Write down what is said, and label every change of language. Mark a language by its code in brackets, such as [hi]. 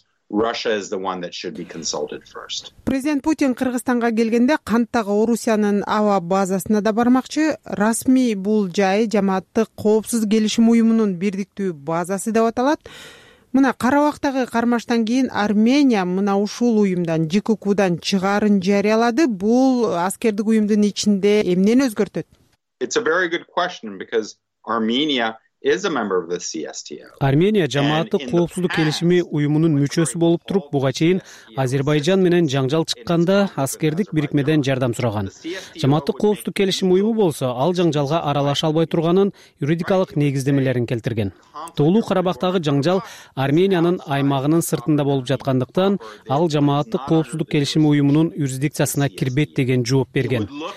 [en] Russia is the one that should be consulted first. [ky] Президент Путин Кыргызстанга келгенде канттагы Орусиянын аба базасына да бармакчы. Расмий бул жай жамааттык коопсуз келишим уюмунун бирдиктүү базасы деп аталат. Мына кара бактагы кармаштан кийин Армения мына ушул уюмдан ЖКК-дан чыгарын жарыялады. Бул аскердик уюмдун ичинде эмнени өзгөртөт? [en] It's a very good question because Armenia is a member of the CSTO. [ky] Армения жамааттык коопсуздук келишими уюмунун мүчөсү болуп туруп, буга чейин Азербайжан менен жаңжал чыкканда аскердик бирикмеден жардам сураган. Жамааттык коопсуздук келишими уюму болсо, ал жаңжалга аралаша албай турганын юридикалык негиздемелерин келтирген. Тоолу Карабахтагы жаңжал Армениянын аймагынын сыртында болуп жаткандыктан, ал жамааттык коопсуздук келишими уюмунун юрисдикциясына кирбейт деген жооп берген.